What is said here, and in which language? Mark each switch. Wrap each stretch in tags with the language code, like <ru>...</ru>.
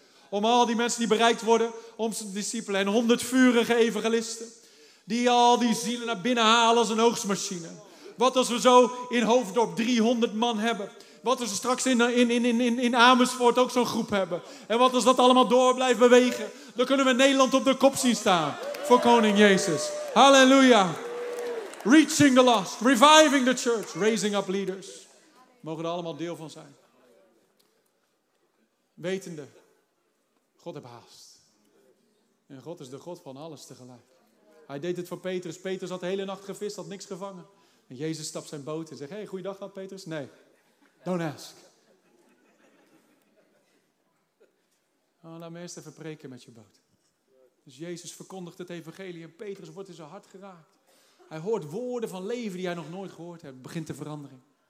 <nl>Om al die mensen die bereikt worden, om ze te discipelen. En 100 vurige evangelisten die al die zielen naar binnen halen als een oogstmachine. Wat als we zo in Hoofddorp 300 man hebben Wat als we straks in Amersfoort ook zo'n groep hebben? En wat als dat allemaal door blijft bewegen? Dan kunnen we Nederland op de kop zien staan voor Koning Jezus. Halleluja.</nl> <en>Reaching the lost, reviving the church, raising up leaders.</en> <nl>We mogen er allemaal deel van zijn. Wetende, God heeft haast. En God is de God van alles tegelijk. Hij deed het voor Petrus. Petrus had de hele nacht gevist, had niks gevangen. En Jezus stapt zijn boot en zegt, hey, goeiedag dat Petrus. Nee,</nl> <en>don't ask.</en> <nl>Oh, laat me eerst even preken met je boot. Dus Jezus verkondigt het evangelie en Petrus wordt in zijn hart geraakt. Hij hoort woorden van leven die hij nog nooit gehoord heeft. Begint de verandering.</nl>